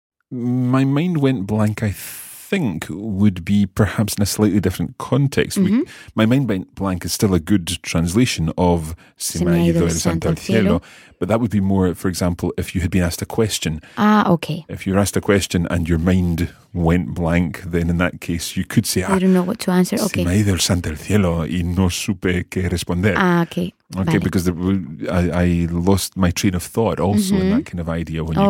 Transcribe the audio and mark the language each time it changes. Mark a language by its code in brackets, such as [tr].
[en] My mind went blank, I think, would be perhaps in a slightly different context. Mm-hmm. My mind went blank is still a good translation of [es] Se me ha ido el santo al cielo. [en] But that would be more, for example, if you had been asked a question. Ah, okay. If you were asked a question and your mind went blank, then in that case you could say, I don't know what to answer. Okay. [es] Se me ha ido el santo al cielo y no supe qué responder. [en] Ah, okay. Okay, vale. Because I lost my train of thought also mm-hmm. in that kind of idea when you